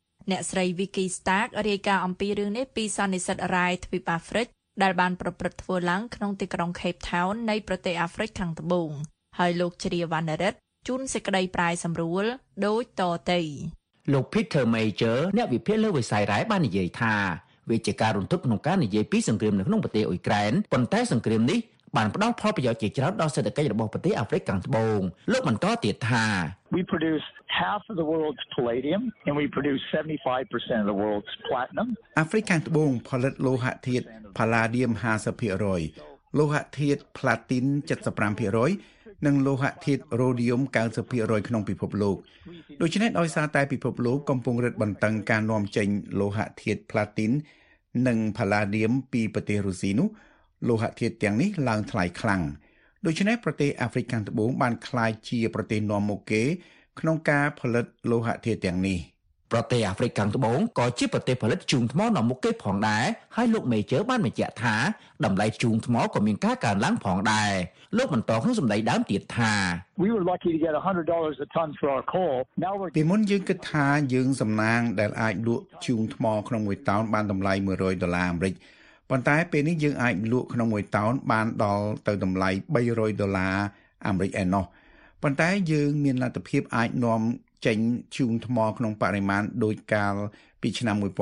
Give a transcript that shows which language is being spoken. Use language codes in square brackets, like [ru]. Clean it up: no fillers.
[km] អ្នកស្រី Vicky Stark រាយការណ៍អំពីរឿងនេះពីសន្និសីទរ៉ាយទ្វីបអាហ្វ្រិកដែលបានប្រព្រឹត្តធ្វើឡើងក្នុងទីក្រុង Cape Town នៃប្រទេសអាហ្វ្រិកខាងត្បូងហើយលោកជ្រាវណ្ណរិទ្ធជួនសេចក្តីប្រាយសម្រួលដូចតទៅ លោក Peter Major អ្នកវិភាគលើវិស័យរ៉ាយបាននិយាយថាវិជាការរំទុកក្នុងការនិយាយពីសង្គ្រាមនៅក្នុងប្រទេសអ៊ុយក្រែនប៉ុន្តែសង្គ្រាមនេះបានផ្ដល់ផលប្រយោជន៍ជាច្រើនដល់សេដ្ឋកិច្ចរបស់ប្រទេសអាហ្វ្រិកខាងត្បូងលោកបន្តទៀតថា [en] We produce half of the world's palladium and we produce 75% of the world's platinum [km] អាហ្វ្រិកខាងត្បូងផលិតលោហៈធាតុ palladium 50%លោហៈធាតុ platinum 75% និងលោហៈធាតុរ៉ូឌីយម 90% ក្នុងពិភពលោកដូច្នេះដោយសារតែពិភពលោកកំពុងរឹតបន្តឹងការនាំចេញលោហៈធាតុផ្លាទីននិងផាឡាឌីមពីប្រទេសរុស្ស៊ីនោះលោហៈធាតុទាំងនេះឡើងថ្លៃខ្លាំងដូច្នេះប្រទេសអាហ្វ្រិកខាងត្បូងបានក្លាយជាប្រទេសនាំមុខគេក្នុងការផលិតលោហៈធាតុទាំងនេះ ប្រទេសអាហ្វ្រិកខាងត្បូងក៏ជាប្រទេសផលិតជូងថ្មនាំមុខគេផងដែរហើយលោកមេជើបានបញ្ជាក់ថាតម្លៃជូងថ្មក៏មានការកើនឡើងផងដែរលោកបន្តក្នុងសម្ដីដើមទៀតថា [en] We were lucky to get $100 a ton for our coal. Now we're [km] ពីមុនយើងគិតថាយើងសំណាងដែលអាចលក់ជូងថ្មក្នុងមួយតោនបានតម្លៃ$100អាមេរិកប៉ុន្តែពេលនេះយើងអាចលក់ក្នុងមួយតោនបានដល់ទៅតម្លៃ$300អាមេរិកឯណោះប៉ុន្តែយើងមានលទ្ធភាពអាចនាំចេញជូងថ្មក្នុងបរិមាណដូចកាលពីឆ្នាំ